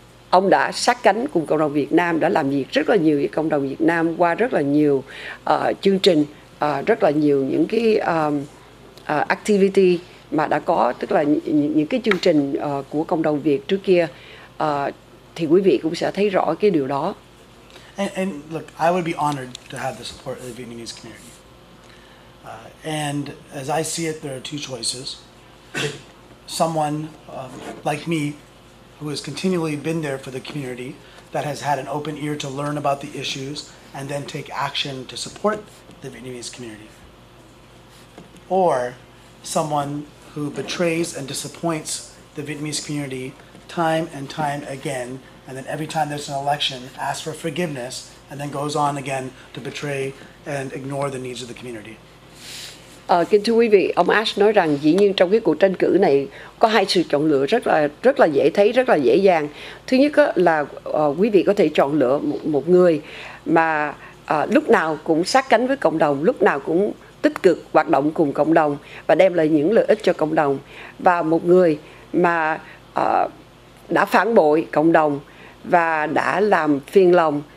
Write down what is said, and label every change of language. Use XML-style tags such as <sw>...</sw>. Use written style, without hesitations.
<vi>ông đã sát cánh cùng cộng đồng Việt Nam, đã làm việc rất là nhiều với cộng đồng Việt Nam qua rất là nhiều chương trình, rất là nhiều những cái activity mà đã có, tức là những cái chương trình của cộng đồng Việt trước kia, thì quý vị cũng sẽ thấy rõ cái điều đó.</vi> <en>And look, I would be honored to have the support of the Vietnamese community. And as I see it, there are two choices. Someone like me, who has continually been there for the community, that has had an open ear to learn about the issues and then take action to support the Vietnamese community. Or someone who betrays and disappoints the Vietnamese community time and time again, and then every time there's an election, ask for forgiveness, and then goes on again to betray and ignore the needs of the community.</en> <vi>Kính thưa quý vị, ông Ash nói rằng dĩ nhiên trong cái cuộc tranh cử này có hai sự chọn lựa rất là dễ thấy, rất là dễ dàng. Thứ nhất là quý vị có thể chọn lựa một người mà lúc nào cũng sát cánh với cộng đồng, lúc nào cũng tích cực hoạt động cùng cộng đồng và đem lại những lợi ích cho cộng đồng, và một người mà đã phản bội cộng đồng và đã làm phiền lòng</vi>